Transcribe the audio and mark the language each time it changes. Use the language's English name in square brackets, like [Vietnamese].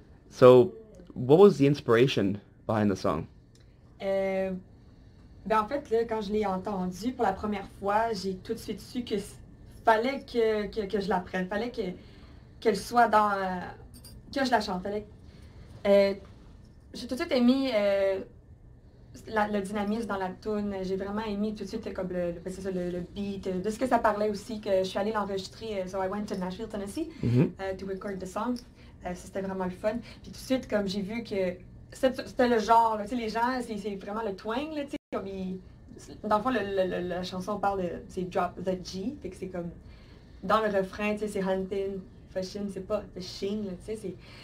[English] So, what was the inspiration behind the song? [French] Ben en fait, là, quand je l'ai entendu pour la première fois, j'ai tout de suite su que fallait que je l'apprenne, fallait qu'elle soit dans... que je la chante. J'ai tout de suite aimé le dynamisme dans la toune. J'ai vraiment aimé tout de suite comme le beat, de ce que ça parlait aussi, que je suis allée l'enregistrer. [English] So I went to Nashville, Tennessee, to record the song. [French] C'était vraiment le fun. Puis tout de suite, comme j'ai vu que c'était le genre, tu sais, les gens, c'est vraiment le twang, tu sais, comme dans le fond, la chanson parle de, c'est [English] drop the G, [French] fait que c'est comme, dans le refrain, tu sais, c'est hunting, fashion, c'est pas fishing, tu sais, c'est...